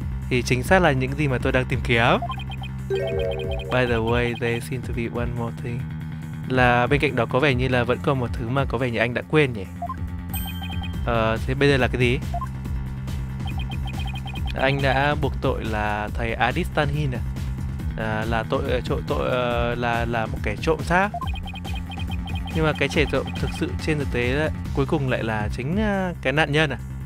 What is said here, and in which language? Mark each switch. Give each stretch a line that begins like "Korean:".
Vietnamese: Thì chính xác là những gì mà tôi đang tìm kiếm.
English: By the way, there seems to be one more thing.
Vietnamese: Là bên cạnh đó có vẻ như là vẫn còn một thứ mà có vẻ như anh đã quên nhỉ. Thế bây giờ là cái gì? Anh đã buộc tội là thầy Adit Tanhi à? Là tội là một kẻ trộm xác. Nhưng mà cái trẻ trộm thực sự trên thực tế ấy, cuối cùng lại là chính cái nạn nhân à?